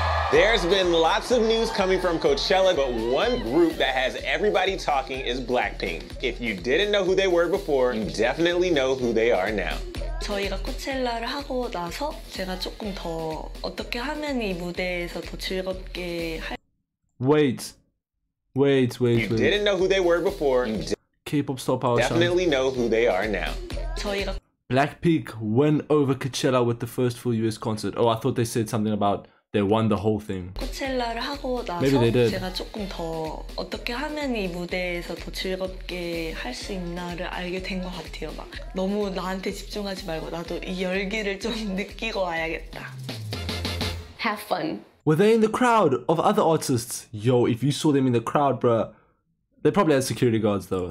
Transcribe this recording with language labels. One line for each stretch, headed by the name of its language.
English: There's been lots of news coming from Coachella, but one group that has everybody talking is Blackpink. If you didn't know who they were before, you definitely know who they are now.
Korean: 저희가 코첼라를 하고 나서 제가 조금 더 어떻게 하면 이 무대에서 더 즐겁게 할
English: Wait. You didn't know who they were before. K-pop star power shine. Definitely shine. Know who they are now.
Korean: 저희가
English: Blackpink went over Coachella with the first full US concert. Oh, I thought they said something about they won the whole thing.
Korean: 코첼라를 하고 나서 제가 조금 더 어떻게 하면 이 무대에서 더 즐겁게 할 수 있나를 알게 된 것 같아요. 막 너무 나한테 집중하지 말고 나도 이 열기를 좀 느끼고 와야겠다.
English: Have fun. Were they in the crowd of other artists? Yo, if you saw them in the crowd, bruh, they probably had security guards though.